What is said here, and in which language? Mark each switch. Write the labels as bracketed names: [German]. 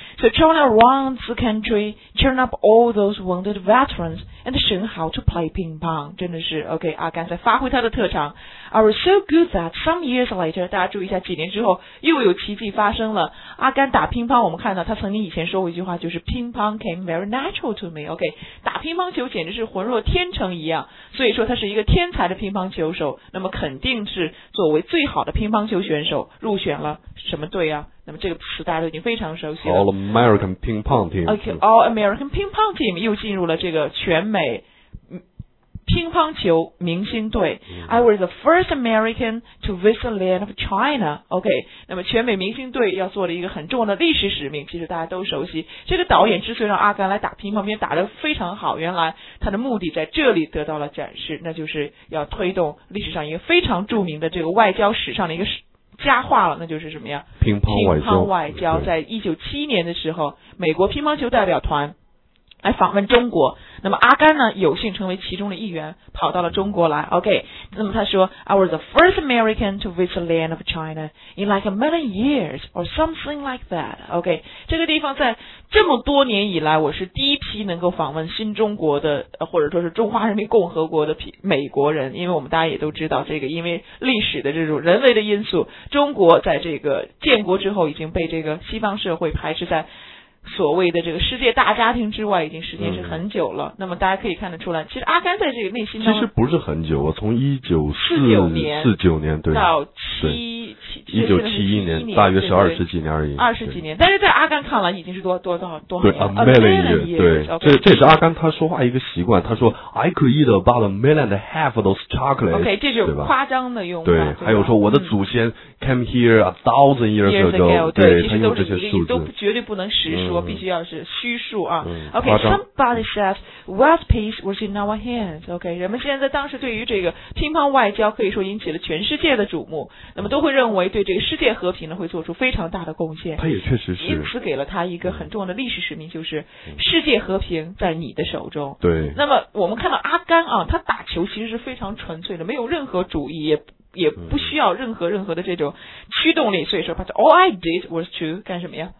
[English] So travel around the country, turn up all those wounded veterans, and show how to play ping pong. [Chinese] 真的是 OK， 阿甘在发挥他的特长。 [English] I was so good that some years later， [Chinese] 大家注意一下，几年之后又有奇迹发生了。阿甘打乒乓，我们看到他曾经以前说过一句话，就是 [English] ping pong came very natural to me. [Chinese] OK， 打乒乓球简直是浑若天成一样。所以说他是一个天才的乒乓球手，那么肯定是作为最好的乒乓球选手入选了什么队啊？那么这个词大家都已经非常熟悉了。 [English] All American Ping Pong Team。 [Chinese] Okay, All American Ping Pong Team 又进入了这个全美乒乓球明星队。 [English] I was the first American to visit the land of China. [Chinese] Okay, 那么全美明星队要做的一个很重要的历史使命，其实大家都熟悉。这个导演之所以让阿甘来打乒乓，并打得非常好，原来他的目的在这里得到了展示，那就是要推动历史上一个非常著名的这个外交史上的一个佳话了，那就是什么呀？乒乓外交。在1971年的时候，美国乒乓球代表团来访问中国，那么阿甘呢有幸成为其中的一员，跑到了中国来。 [English] OK， [Chinese] 那么他说 [English] I was the first American to visit the land of China in like a million years or something like that. [Chinese] OK， 这个地方在这么多年以来，我是第一批能够访问新中国的，或者说是中华人民共和国的美国人。因为我们大家也都知道，这个因为历史的这种人为的因素，中国在这个建国之后已经被这个西方社会排斥在所谓的这个世界大家庭之外，已经时间是很久了。那么大家可以看得出来，其实阿甘在这个内心其实不是很久啊，从1949年对到 1971年，大约是二十几年。但是在阿甘看来已经是多少年，对 [English] a million years, [Chinese] 对、 [English] okay. [Chinese] 这也是阿甘他说话一个习惯，他说 [English] I could eat about a million and a half of those chocolates. [Chinese] OK， 这是夸张的用法。对，还有说我的祖先 [English] came here a thousand years ago。 [Chinese] 对，他用这些数字都绝对不能实说，必须要是虚数啊。 [English] OK， somebody says world peace was in our hands. [Chinese] OK， 人们现在当时对于这个乒乓外交可以说引起了全世界的瞩目，那么都会认为对这个世界和平呢会做出非常大的贡献。他也确实是，因此给了他一个很重要的历史使命，就是世界和平在你的手中。对，那么我们看到阿甘啊，他打球其实是非常纯粹的，没有任何主义，也不需要任何的这种驱动力。所以说 [English] but all I did was to [Chinese] 干什么呀？